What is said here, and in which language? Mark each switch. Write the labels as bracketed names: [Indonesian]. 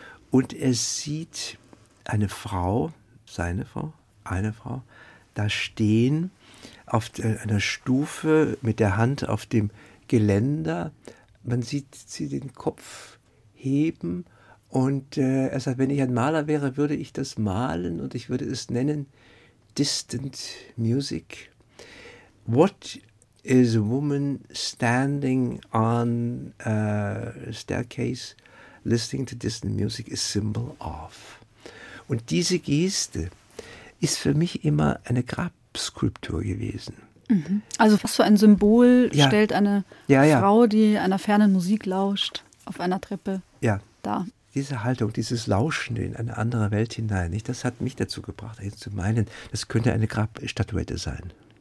[German] Und er sieht eine Frau, seine Frau, eine Frau, da stehen auf einer Stufe mit der Hand auf dem Geländer. Man sieht sie den Kopf heben. Und er sagt, wenn ich ein Maler wäre, würde ich das malen und ich würde es nennen Distant Music. [English] What is a woman standing on a staircase listening to distant music a symbol of? [German] Und diese Geste ist für mich immer eine Grabskulptur gewesen. Also was für ein Symbol stellt eine Frau, die einer fernen Musik lauscht? auf einer Treppe. Ja. Da. Diese Haltung, dieses Lauschen in eine andere Welt hinein, nicht, das hat mich dazu gebracht, zu meinen, das könnte eine Grabstatuette sein.